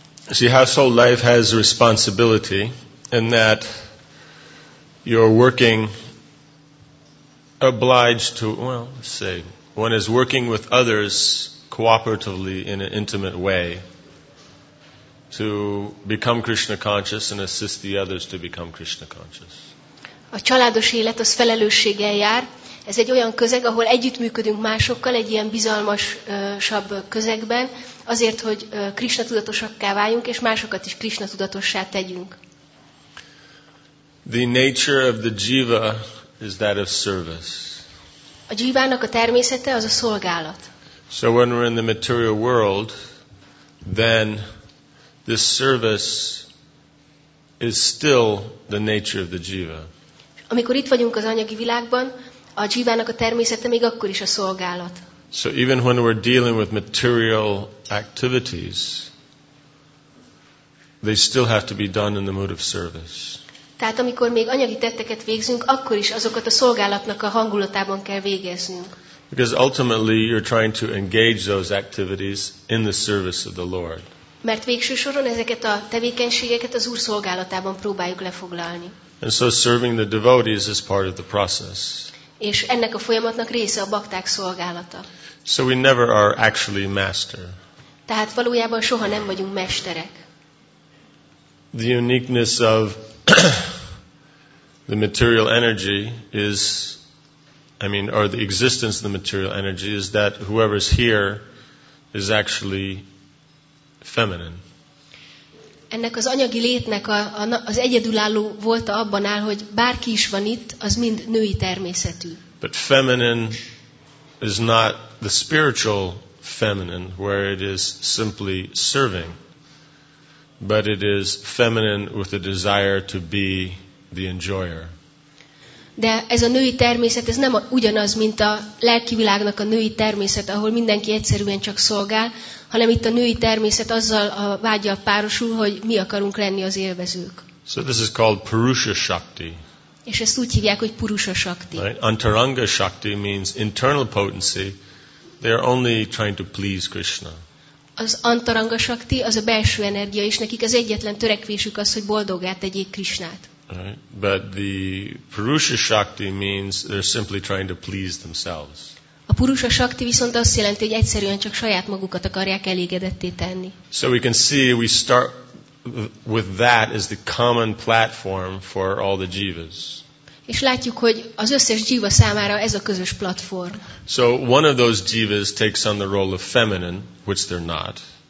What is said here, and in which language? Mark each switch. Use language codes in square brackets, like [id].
[en] See, household life has a responsibility in that you're working obliged to, well, let's say, one is working with others cooperatively in an intimate way to become Krishna conscious and assist the others to become Krishna conscious. [hu] A családos élet az felelősséggel jár. Ez egy olyan közeg, ahol együttműködünk másokkal, egy ilyen bizalmasabb közegben, azért, hogy Krishna tudatosakká váljunk, és másokat is Krishna tudatossá tegyünk. [en] The nature of the jiva is that of service. [hu] A jivának a természete az a szolgálat. [en] So when we're in the material world, then this service is still the nature of the jiva. [hu] Amikor itt vagyunk az anyagi világban, a jivának a természete még akkor is a szolgálat. [en] So even when we're dealing with material activities, they still have to be done in the mood of service. [hu] Tehát amikor még anyagi tetteket végzünk, akkor is azokat a szolgálatnak a hangulatában kell végeznünk. [en] Because ultimately you're trying to engage those activities in the service of the Lord. [hu] Mert végső soron ezeket a tevékenységeket az Úr szolgálatában próbáljuk lefoglalni. [en] And so serving the devotees is part of the process. [hu] És ennek a folyamatnak része a bakták szolgálata. [en] So we never are actually master. [hu] Tehát valójában soha nem vagyunk mesterek. [en] The uniqueness of the material energy is, or the existence of the material energy is that whoever's here is actually feminine. [hu] Ennek az anyagi létnek az egyedülálló volta abban áll, hogy bárki is van itt, az mind női természetű. [en] But feminine is not the spiritual feminine, where it is simply serving. But it is feminine with a desire to be the enjoyer. [hu] De ez a női természet, ez nem ugyanaz, mint a lelki világnak a női természet, ahol mindenki egyszerűen csak szolgál, hanem itt a női természet azzal a vágyal párosul, hogy mi akarunk lenni az élvezők. [en] So this is called Purusha Shakti. [hu] És ezt úgy hívják, hogy Purusha Shakti. [en] Right? Antaranga Shakti means internal potency. They are only trying to please Krishna. [hu] Az antaranga shakti, az a belső energia, és nekik az egyetlen törekvésük az, hogy boldoggá tegyék Krishnát. [en] Right. But the purusha shakti means they're simply trying to please themselves. [hu] A purusha shakti viszont azt jelenti, hogy egyszerűen csak saját magukat akarják elégedetté tenni. [en] So we can see we start with that as the common platform for all the jivas. [hu] És látjuk, hogy az összes jiva számára ez a közös platform. [en] So one of those jivas takes on the role of feminine, which they're not.